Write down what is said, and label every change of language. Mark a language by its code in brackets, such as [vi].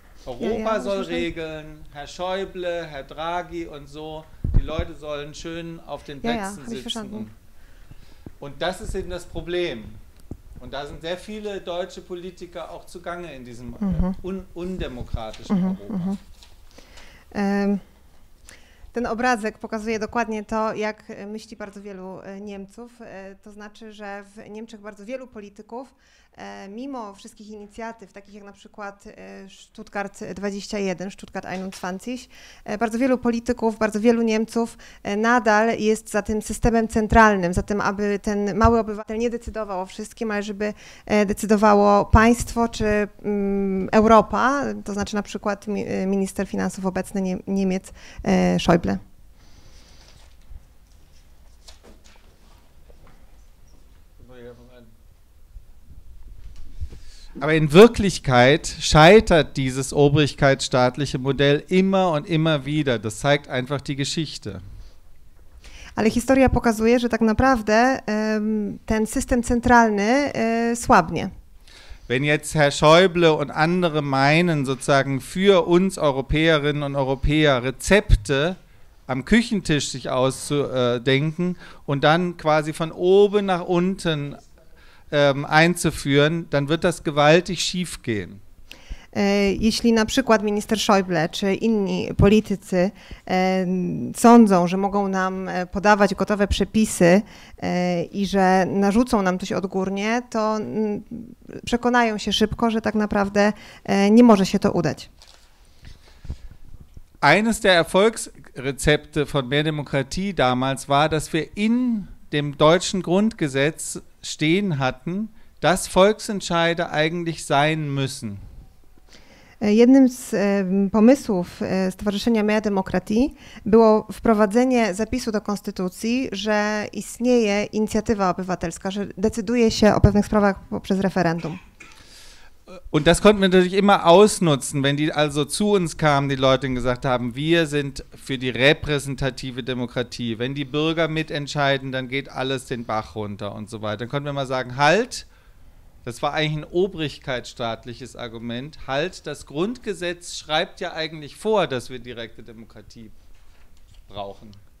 [de] Europa soll regeln, Herr Schäuble, Herr Draghi und so. Die Leute sollen schön auf den Plätzen sitzen. Und das ist eben das Problem. Und da sind sehr viele deutsche Politiker auch zugange in diesem undemokratischen Europa. [pl] Ten obrazek pokazuje dokładnie to, jak myśli bardzo wielu Niemców. To znaczy, że w Niemczech bardzo wielu polityków, mimo wszystkich inicjatyw, takich jak na przykład Stuttgart 21, Stuttgart 21, bardzo wielu polityków, bardzo wielu Niemców nadal jest za tym systemem centralnym, za tym, aby ten mały obywatel nie decydował o wszystkim, ale żeby decydowało państwo czy Europa, to znaczy na przykład minister finansów obecny Niemiec, Schäuble. [de] Aber in Wirklichkeit scheitert dieses obrigkeitsstaatliche Modell immer und immer wieder. Das zeigt einfach die Geschichte. [pl] Ale historia pokazuje, że tak naprawdę ten system zentralny słabnie. [de] Wenn jetzt Herr Schäuble und andere meinen, sozusagen für uns Europäerinnen und Europäer Rezepte am Küchentisch sich auszudenken und dann quasi von oben nach unten einzuführen, dann wird das gewaltig schief gehen. [pl] Jeśli na przykład minister Schäuble czy inni politycy sądzą, że mogą nam podawać gotowe przepisy i że narzucą nam coś odgórnie, to przekonają się szybko, że tak naprawdę nie może się to udać. [de] Eines der Erfolgsrezepte von mehr Demokratie damals war, dass wir in dem deutschen Grundgesetz stehen hatten, dass Volksentscheide eigentlich sein müssen. [pl] Jednym z pomysłów Stowarzyszenia Mea Demokratii było wprowadzenie zapisu do konstytucji, że istnieje inicjatywa obywatelska, że decyduje się o pewnych sprawach poprzez referendum. [de] Und das konnten wir natürlich immer ausnutzen, wenn die also zu uns kamen, die Leute gesagt haben, wir sind für die repräsentative Demokratie. Wenn die Bürger mitentscheiden, dann geht alles den Bach runter und so weiter. Dann konnten wir mal sagen, halt, das war eigentlich ein obrigkeitsstaatliches Argument, halt, das Grundgesetz schreibt ja eigentlich vor, dass wir direkte Demokratie brauchen.